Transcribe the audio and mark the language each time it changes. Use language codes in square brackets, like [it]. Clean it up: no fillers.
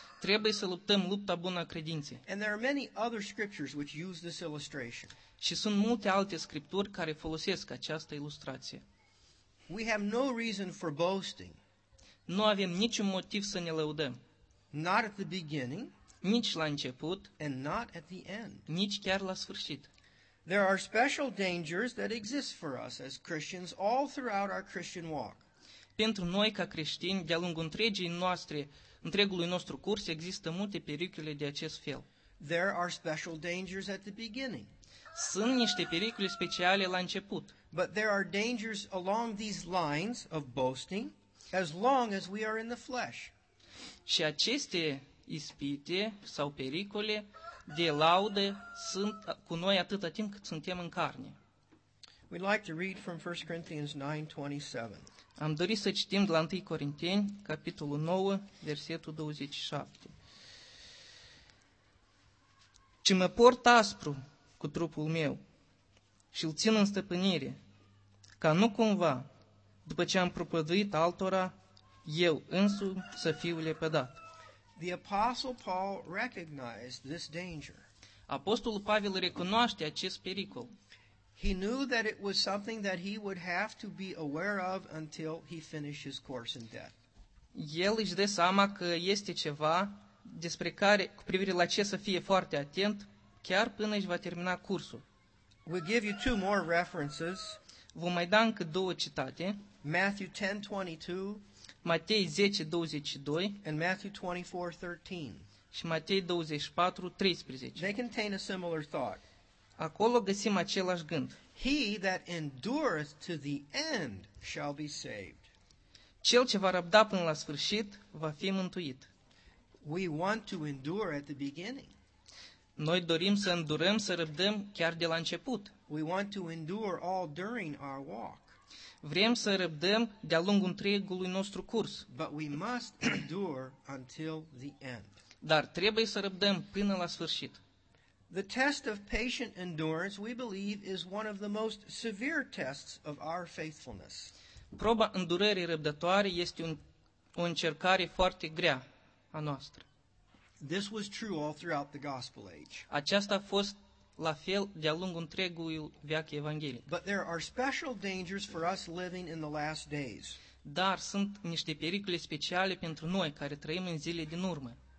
[ro] Trebuie să luptăm lupta bună a credinței. [en] And there are many other scriptures which use this illustration. [ro] Și sunt multe alte scripturi care folosesc această ilustrație. [en] We have no reason for boasting. [ro] Nu avem niciun motiv să ne lăudăm. [en] Not at the beginning, [ro] nici la început, [en] and not at the end. [ro] Nici chiar la sfârșit. [en] There are special dangers that exist for us as Christians all throughout our Christian walk. [ro] Pentru noi ca creștini, de-a lungul întregului nostru curs, există multe pericole de acest fel. [en] There are special dangers at the beginning. [ro] Sunt niște pericole speciale la început. [en] But there are dangers along these lines of boasting as long as we are in the flesh. [ro] Și aceste ispite sau pericole de laudă sunt cu noi atâta timp cât suntem în carne. [en] We'd like to read from 1 Corinthians 9:27. [ro] Am dorit să citim de la 1 Corinteni, capitolul 9, versetul 27. Ci mă port aspru cu trupul meu și îl țin în stăpânire, ca nu cumva, după ce am propăduit altora, eu însumi să fiu lepădat. [en] The Apostle Paul recognized this danger. [ro] Apostolul Pavel recunoaște acest pericol. [en] He knew that it was something that he would have to be aware of until he finished his course in death. [ro] El își dă seama că este ceva despre care, cu privire la ce să fie foarte atent, chiar până își va termina cursul. [en] We'll give you two more references. [ro] Vom mai da încă două citate. [en] Matthew 10:22, [ro] Matei 10:22 [en] and Matthew 24:13. [ro] Și Matei 24:13. [en] They contain a similar thought. [ro] Acolo găsim același gând. [en] He that endureth to the end shall be saved. [ro] Cel ce va răbda până la sfârșit va fi mântuit. [en] We want to endure at the beginning. [ro] Noi dorim să îndurăm, să răbdăm chiar de la început. [en] We want to endure all during our walk. [ro] Vrem să răbdăm de-a lungul întregului nostru curs. [en] But we must endure until the end. [ro] Dar trebuie să răbdăm până la sfârșit. [en] The test of patient endurance, we believe, is one of the most severe tests of our faithfulness. [ro] Proba îndurării răbdătoare este o încercare foarte grea a noastră. [en] This was true all throughout the gospel age. [ro] Aceasta a fost la fel de-a lungul întregului veac evanghelic. [en] But there are special dangers for us living in the last days. [ro] Dar sunt niște pericole speciale pentru noi care trăim în zilele din urmă.